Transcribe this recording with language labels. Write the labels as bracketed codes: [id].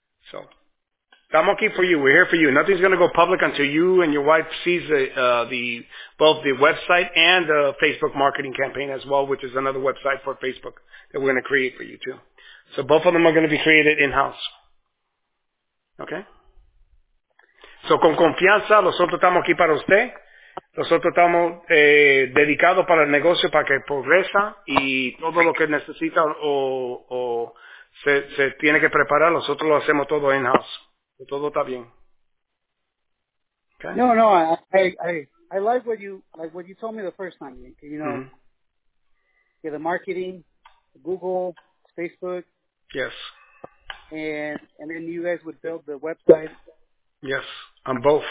[en] So, I'm okay for you. We're here for you. Nothing's going to go public until you and your wife sees both the website and the Facebook marketing campaign as well, which is another website for Facebook that we're going to create for you too. So both of them are going to be created in-house. Okay? [es] So, con confianza, nosotros estamos aquí para usted. Nosotros estamos dedicados para el negocio, para que progresa y todo lo que necesita o Se tiene que preparar. Nosotros lo hacemos todo in-house. Todo está bien. Okay. [en] No. I like what you told me the first time. You know, mm-hmm. Yeah, the marketing, Google, Facebook. Yes. And then you guys would build the website. Yes, on both.